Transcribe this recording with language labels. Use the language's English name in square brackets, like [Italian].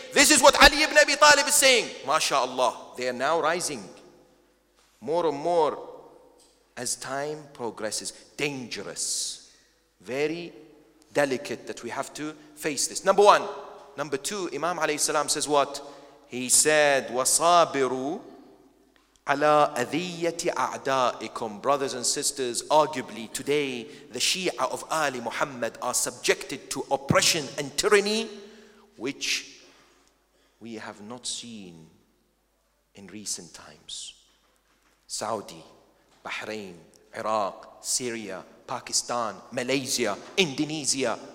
[English] This is what Ali ibn Abi Talib is saying. MashaAllah, they are now rising more and more as time progresses. Dangerous. Very delicate that we have to face this. Number one. Number two, Imam alayhi salam says what? He said, [Arabic] وَصَابِرُوا عَلَىٰ أَذِيَّةِ أَعْدَائِكُمْ. [English] Brothers and sisters, arguably today, the Shia of Ali Muhammad are subjected to oppression and tyranny, which we have not seen in recent times. Saudi, Bahrain, Iraq, Syria, Pakistan, Malaysia, Indonesia.